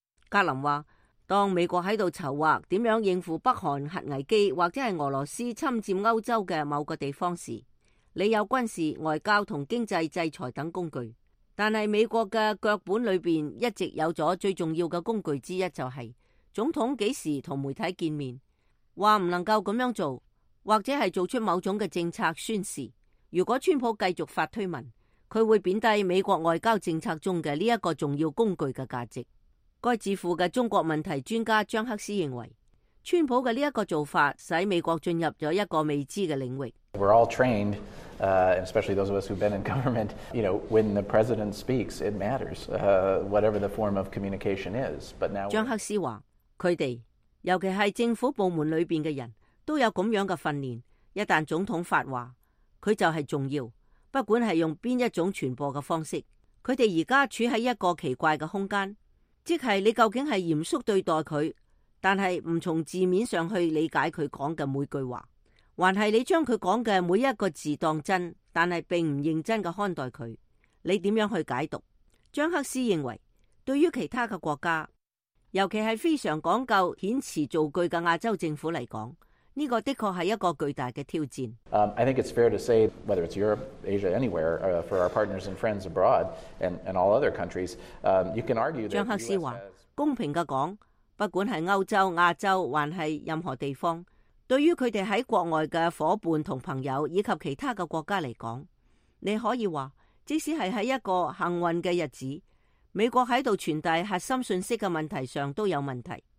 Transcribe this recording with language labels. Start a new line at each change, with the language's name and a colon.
Chinese: 格林说，当美国在筹划怎样应付北韩核危机或者是俄罗斯侵占欧洲的某个地方时，你有军事、外交和经济制裁等工具，但是美国的脚本里面一直有了最重要的工具之一，就是总统几时和媒体见面，说不能够这样做，或者是做出某种的政策宣示。如果川普继续发推文，他会贬低美国外交政策中的这个重要工具的价值。该智库的中国问题专家张克斯认为，川普的这个做法使美国进入了一个未知的领域。
English: We're all trained, especially those of us who've been in government. You know, when the president speaks, it matters, whatever the form of communication is. But now,
Chinese: 张克斯说，他们，尤其是政府部门里面的人，都有这样的训练，一旦总统发话，他就是重要，不管是用哪一种传播的方式。他们现在处在一个奇怪的空间，即是你究竟是严肃对待他，但是不从字面上去理解他讲的每句话，还是你将他讲的每一个字当真，但是并不认真地看待他，你怎样去解读？张克斯认为，对于其他的国家，尤其是非常讲究遣词造句的亚洲政府来讲，这个的确是一个巨大的挑战。
English: I think it's fair to say, whether it's Europe, Asia, anywhere, for our partners and friends abroad and all other countries, you can argue that.
Chinese: 张克斯说，公平地说，不管是欧洲、亚洲还是任何地方，对于他们在国外的伙伴和朋友以及其他的国家来说，你可以说，即使是在一个幸运的日子，美国在传递核心信息的问题上都有问题。